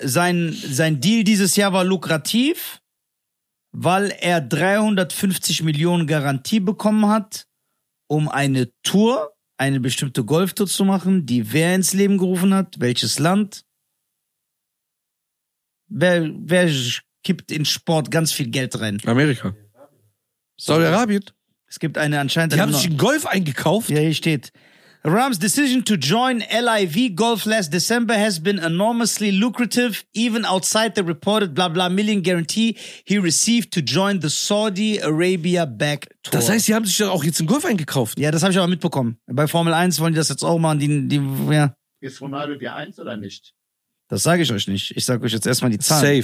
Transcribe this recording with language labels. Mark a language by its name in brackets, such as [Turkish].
[German] Sein Deal dieses Jahr war lukrativ, weil er 350 Millionen Garantie bekommen hat, um eine Tour, eine bestimmte Golftour zu machen, die wer ins Leben gerufen hat, welches Land. Wer kippt in Sport ganz viel Geld rein? Amerika. Saudi-Arabien. Es gibt eine anscheinend... Die haben sich einen Golf eingekauft? Ja, hier steht... [English] Ram's decision to join LIV Golf last December has been enormously lucrative, even outside the reported blah blah million guarantee he received to join the Saudi Arabia backed tour. [German] Das heißt, sie haben sich doch auch jetzt einen Golf eingekauft. Ja, das habe ich aber mitbekommen. Bei Formel 1 wollen die das jetzt auch machen. Die, ja. Ist Ronaldo die 1 oder nicht? Das sage ich euch nicht. Ich sage euch jetzt erstmal die Zahlen.